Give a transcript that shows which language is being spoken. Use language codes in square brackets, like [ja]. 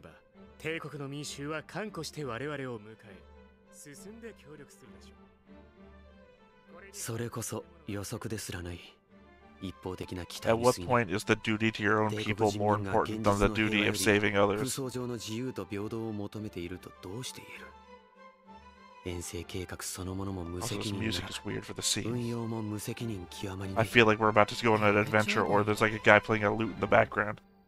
[ja] そもそもこの遠征は、先制政治の暴圧に苦しむ、銀河帝国250億の民衆を解放し救済する、崇高な大義を実現するためのものです。我々が解放軍として大義に基づいて行動すれば、帝国の民衆は歓呼して我々を迎え、進んで協力するでしょう。それこそ予測ですらない一方的な期待。 [en] At what point is the duty to your own people more important than the duty of saving others? [ja] 空想上の自由と平等を求めているとどうして言える。遠征計画そのものも無責任な運用も無責任極まり [en] ない。 I feel like we're about to go on an adventure, or there's like a guy playing a lute in the background.